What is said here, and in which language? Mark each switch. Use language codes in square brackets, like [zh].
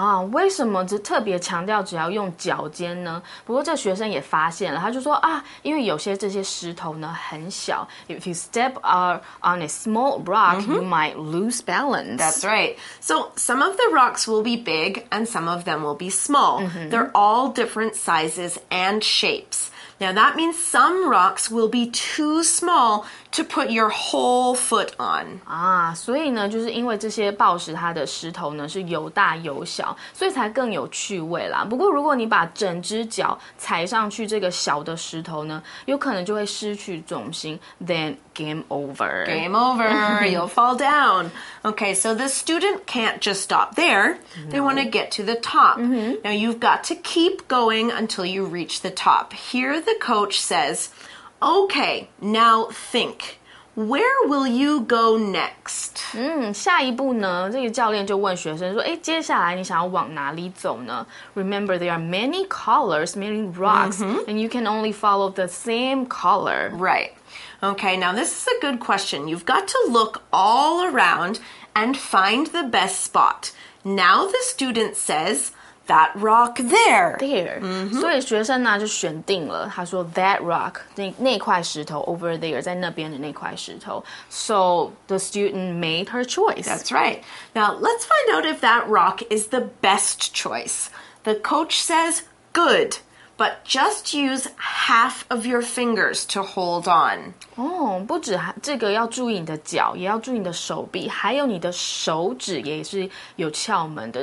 [zh] 为什么只特别强调只要用脚尖呢？不过这学生也发现了，他就说因为有些这些石头呢很小。 [en] If you step on a small rock,、mm-hmm. you might lose balance. That's right. So some of the rocks will be big and some of them will be small.、Mm-hmm. They're all different sizes and shapes. Now that means some rocks will be too small to put your whole foot on. [zh] 所以呢，就是因为这些暴石它的石头呢是有大有小，所以才更有趣味啦。不过如果你把整只脚踩上去这个小的石头呢，有可能就会失去重心。 [en] Then game over. Game over. You'll fall down. Okay, so the student can't just stop there. They want to get to the top. Now you've got to keep going until you reach the top. Here the coach says, okay, now think. Where will you go next? [zh] 下一步呢，这个教练就问学生说，接下来你想要往哪里走呢？ [en] Remember, there are many colors, many rocks,、mm-hmm. and you can only follow the same color. Right. Okay, now this is a good question. You've got to look all around and find the best spot. Now the student says... That rock there. There.、 [zh] Mm-hmm. 所以学生呢就选定了。他说 [en] that rock, [zh] 那块石头 [en] over there, [zh] 在那边的那块石头。 [en] So the student made her choice. That's right. Now let's find out if that rock is the best choice. The coach says, good. But just use half of your fingers to hold on. [zh] 不止这个要注意你的脚，也要注意你的手臂，还有你的手指也是有窍门的。